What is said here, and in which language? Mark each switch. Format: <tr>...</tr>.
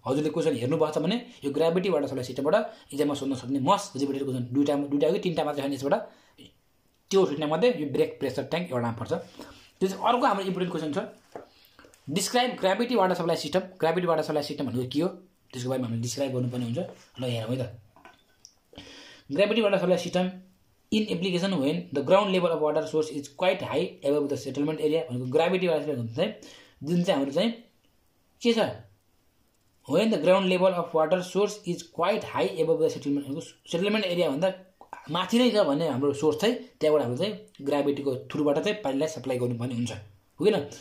<ne>हजुरले क्वेसन हेर्नुभएको छ भने यो ग्राभिटी वाटर सप्लाई सिस्टमबाट इक्जाममा सोध्न सक्ने मस्ट रिपिटेड क्वेसन. दुइटा हो कि तिनवटा मात्रै छैन यसबाट, त्यो छुट्नेमध्ये यो ब्रेक प्रेसर ट्याङ्क एउटा पर्छ. त्यो चाहिँ अर्को हाम्रो इम्पोर्टेन्ट क्वेसन छ,</ne> <en>Describe gravity water supply system.</en> <ne>Gravity water supply system भनेको के हो, त्यसको बारेमा हामीले डिस्क्राइब गर्नुपर्ने हुन्छ. ल हेरौँ है त,</ne> <en>Gravity water supply system in application when the ground level of water source is quite high above the settlement area.</en> <ne>भनेको ग्राभिटी वाटर सप्लाई भन्नु चाहिँ जुन चाहिँ हाम्रो चाहिँ के छ,</ne> <en>when the ground level of water source is quite high above the settlement,</en> <ne>भनेको सेटलमेन्ट एरियाभन्दा माथि नै छ भने हाम्रो सोर्स चाहिँ त्यहाँबाट हाम्रो चाहिँ ग्राभिटीको थ्रुबाट चाहिँ पानीलाई सप्लाई गर्नुपर्ने हुन्छ हो कि न.</ne>